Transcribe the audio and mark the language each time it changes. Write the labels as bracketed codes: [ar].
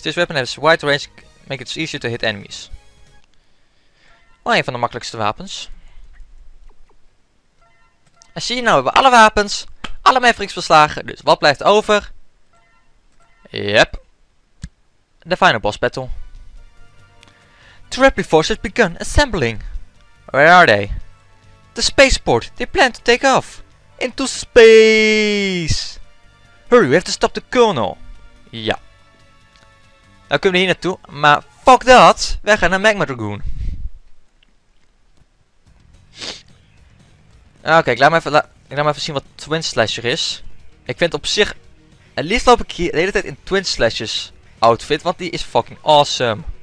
[en] This weapon has wide range, make it easier to hit enemies. [nl] Oh, een van de makkelijkste wapens. En zie je nou, we hebben alle wapens, alle Mavericks verslagen. Dus wat blijft over? Yep. [en] The final boss battle. The Rapid Force has begun assembling. Where are they? The spaceport. They plan to take off. Into space. Hurry, we have to stop the colonel. [nl] Ja. Dan kunnen we hier naartoe. Maar fuck dat. Wij gaan naar Magma Dragoon. Oké, ik laat me even zien wat Twin Slasher is. Ik vind op zich... Het liefst loop ik hier de hele tijd in Twin Slashers outfit. Want die is fucking awesome.